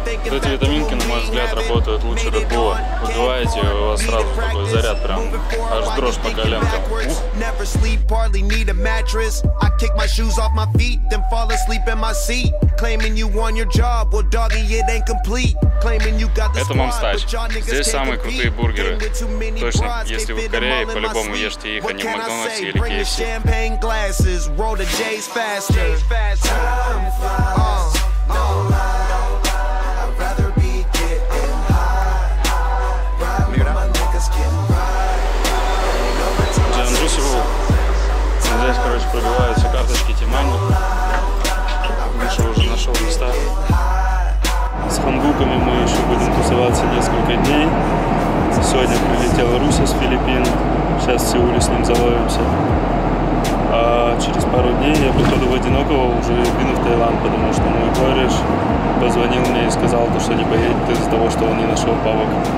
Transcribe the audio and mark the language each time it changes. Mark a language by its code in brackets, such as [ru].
[ru] Вот эти витаминки, на мой взгляд, работают лучше любого. Выпиваете, у вас сразу такой заряд прям. Аж дрожь по коленкам. [en] Kick my shoes off my feet, then fall asleep in my seat. Claiming you won your job, well doggy it ain't complete. Claiming you got the squad, but y'all niggas can't compete. [ru] Здесь самые крутые бургеры. Точно, если вы в Корее, по-любому ешьте их, а не в Макдональдсе или KFC. [en] Bring the champagne glasses, roll the J's faster. Time flies, no lie. I'd rather be getting high. Ride with my niggas, can ride. Ride with my niggas. [ru] Здесь, короче, пробиваются карточки Тимани. Миша уже нашел места. С хангуками мы еще будем тусоваться несколько дней. Сегодня прилетел Руся с Филиппин. Сейчас в Сеуле с ним заловимся. А через пару дней я приходу в Одиноково, уже вину в Таиланд, потому что мой кореш позвонил мне и сказал, что не поедет из-за того, что он не нашел бабок.